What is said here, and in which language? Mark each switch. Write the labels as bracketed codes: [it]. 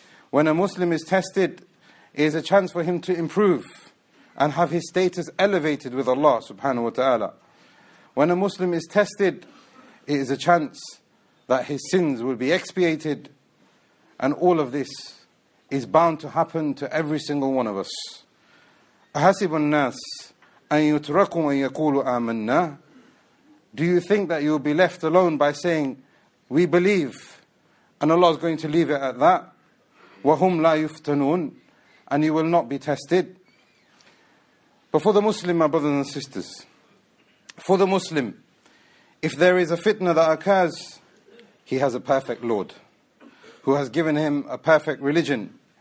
[en] When a Muslim is tested, it is a chance for him to improve and have his status elevated with Allah subhanahu wa ta'ala. When a Muslim is tested, it is a chance that his sins will be expiated, and all of this is bound to happen to every single one of us. [ar] أَحَسِبُ النَّاسِ أَن يُتْرَكُوا أَن يَقُولُوا آمَنَّا. [en] Do you think that you'll be left alone by saying, we believe, and Allah is going to leave it at that? [ar] وَهُمْ لَا يُفْتَنُونَ. [en] And you will not be tested. But for the Muslim, my brothers and sisters, for the Muslim, if there is a fitna that occurs, he has a perfect Lord who has given him a perfect religion.